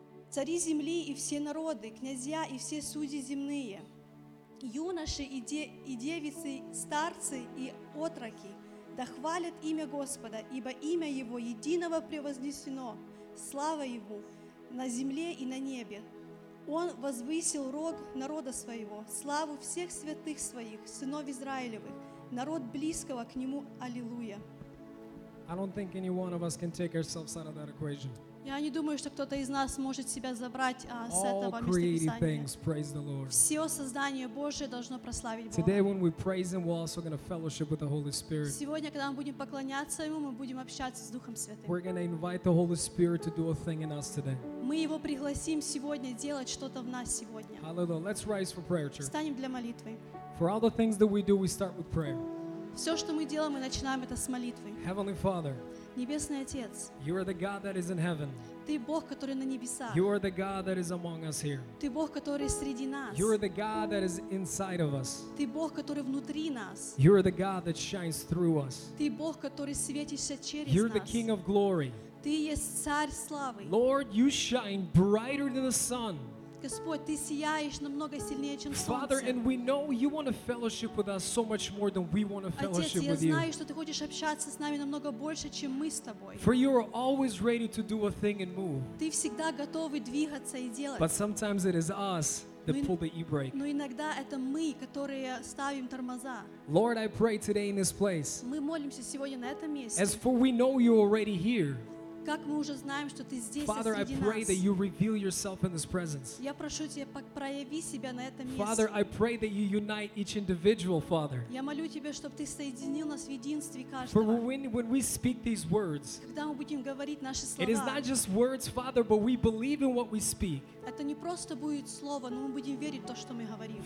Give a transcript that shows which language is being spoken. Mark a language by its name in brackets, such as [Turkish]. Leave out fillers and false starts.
[Russian] цари земли и все народы, князья и все судьи земные, юноши и девицы, старцы и отроки, да хвалят имя Господа, ибо имя Его единого превознесено, слава Ему на земле и на небе. Он возвысил рог народа своего, славу всех святых своих, сынов Израилевых, народ близкого к Нему. Аллилуйя. [English] I don't think any one of us can take ourselves out of that equation. [Russian] Я не думаю, что кто-то из нас может себя забрать с этого места Писания. [English] All created things praise the Lord. [Russian] Все создание Божие должно прославить Бога. [English] Today, when we praise Him, we're also going to fellowship with the Holy Spirit. [Russian] Сегодня, когда мы будем поклоняться Ему, мы будем общаться с Духом Святым. [English] We're going to invite the Holy Spirit to do a thing in us today. [Russian] Мы Его пригласим сегодня делать что-то в нас сегодня. [English] Hallelujah. Let's rise for prayer, church. [Russian] Встанем для молитвы. [English] For all the things that we do, we start with prayer. [Russian] Все, что мы делаем, мы начинаем это с молитвы. [English] Heavenly Father, [Russian] Небесный Отец, [English] you are the God that is in heaven. [Russian] Ты Бог, который на небесах. [English] You are the God that is among us here. [Russian] Ты Бог, который среди нас. [English] You are the God that is inside of us. [Russian] Ты Бог, который внутри нас. [English] You are the God that shines through us. [Russian] Ты Бог, который светишься через нас. [English] You're the King of glory. [Russian] Ты есть Царь славы. [English] Lord, you shine brighter than the sun. [Russian] Господь, ты сияешь намного сильнее, чем солнце. [English] Father, and we know you want to fellowship with us so much more than we want to fellowship with you. [Russian] Отец, я знаю, что ты хочешь общаться с нами намного больше, чем мы с тобой. [English] For you are always ready to do a thing and move. [Russian] Ты всегда готовый двигаться и делать. [English] But sometimes it is us that pull the e-brake. [Russian] Но иногда это мы, которые ставим тормоза. [English] Lord, I pray today in this place. [Russian] Мы молимся сегодня на этом месте. [English] As for we know you already here. [Russian] Как мы уже знаем, что ты здесь, [English] Father, [Russian] среди [English] I pray [Russian] нас. [English] That you reveal yourself in this presence. [Russian] Я прошу тебя, прояви себя на этом месте. [English] Father, I pray that you unite each individual, Father. [Russian] Я молю тебя, чтобы ты соединил нас в единстве каждого. [English] For when we speak these words, [Russian] когда мы будем говорить наши слова, [English] it is not just words, Father, but we believe in what we speak. [Russian] Это не просто будет слово, но мы будем верить в то, что мы говорим.